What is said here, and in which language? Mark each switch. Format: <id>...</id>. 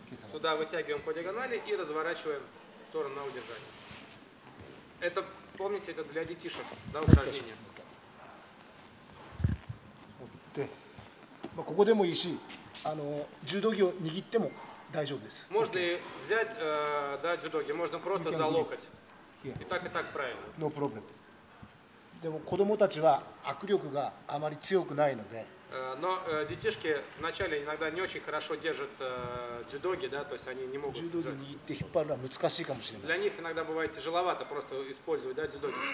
<ru>Сюда вытягиваем по диагонали и разворачиваем в сторону на удержание. Это, помните, это для детишек, да, упражнение.</ru> <ja>ここでもいいし、あの柔道着を握っても大丈夫です。</ja> <ru>можно взять да judo 着、можно просто за локоть。и так правильно。</ru> <en>No problem。</en> <ja>でも子供たちは握力があまり強くないので。</ja> <ru>но детишки вначале иногда не очень хорошо держат judo 着、да, то есть они не могут。</ru> <ja>柔道着握って引っ張るのは難しいかもしれません。</ja> <ru>для них иногда бывает тяжеловато просто использовать да judo 着。</ru>